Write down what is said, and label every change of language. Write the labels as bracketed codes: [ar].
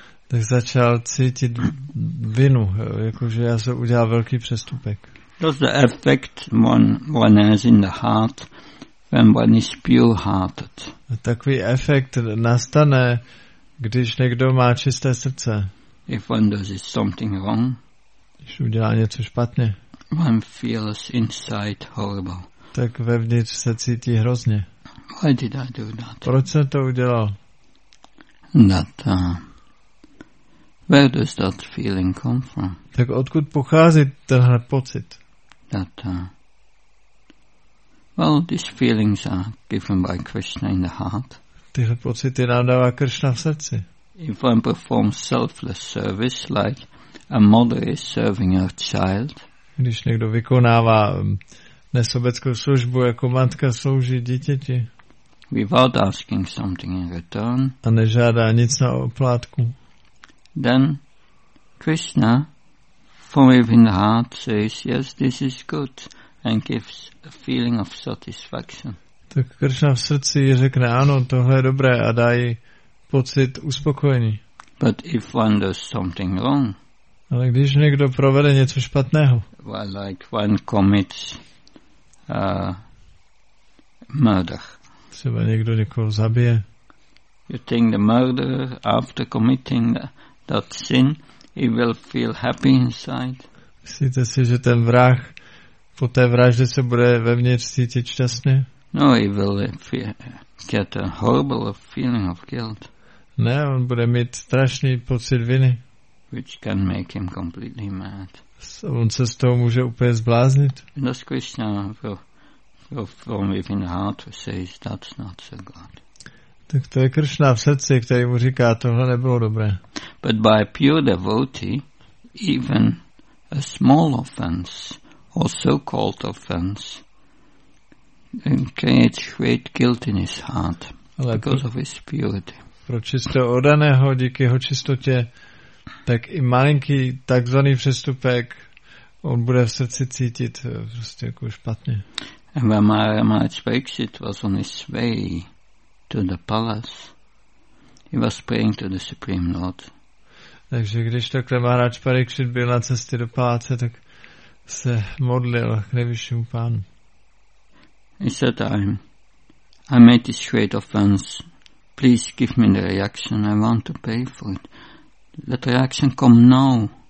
[cs] Tak začal cítit vinu, jakože já jsem udělal velký přestupek. [en] That's the effect one has in the heart when one is pure-hearted. [cs] Takový efekt nastane, když někdo má čisté srdce. [en] If one does something wrong, [cs] když udělá něco špatně, [en] one feels inside horrible. [cs] Tak vevnitř se cítí hrozně. [en] Why did I do that? [cs] Proč jsem to udělal? [en] That, where does that feeling come from? [cs] Tak odkud pochází tenhle pocit? [en] That, well, these feelings are given by Krishna in the heart. [cs] Tyhle pocity nám dává Krishna v srdci. [en] If one performs selfless service, like a mother is serving her child. [cs] Když někdo vykonává nesobeckou službu, jako matka slouží dítěti. [en] Without asking something in return. [cs] A nežádá nic na oplátku. [en] Then Krishna, from within the heart, says, yes, this is good, and gives a feeling of satisfaction. [cs] Tak Krishna v srdci řekne, ano, tohle je dobré, a dá jí pocit uspokojení. [en] But if one does something wrong. [cs] Ale když někdo provede něco špatného. [en] Well, like one commits murder. [cs] Třeba někdo někoho zabije. [en] You think the murderer, after committing that sin, he will feel happy inside? [cs] Myslíte si, že ten vrah po té vraždě se bude vevnitř cítit šťastně? [en] No, he will get a horrible feeling of guilt. [cs] Ne, on bude mít strašný pocit viny. [en] Which can make him completely mad. [cs] On se z toho může úplně zbláznit. [en] And that's Krishna, bro. From within the heart says that's not so good. [cs] Tak to je Krishna v srdci, který mu říká, tohle nebylo dobré. [en] But by pure devotee, even a small offense or so-called offense creates great guilt in his heart. [cs] Ale [en] because of his purity. [cs] Pro čistého oddaného, díky jeho čistotě, tak i malinký takzvaný přestupek on bude v srdci cítit prostě jako špatně. [en] And when Maharaj Parikshit was on his way to the palace, he was praying to the Supreme Lord. [cs] Takže když takhle Maharaj Parikshit byl na cestě do paláce, tak se modlil k nejvyššímu pánu. [en] He said, I made this great offense. Please give me the reaction. I want to pay for it. Let the reaction come now.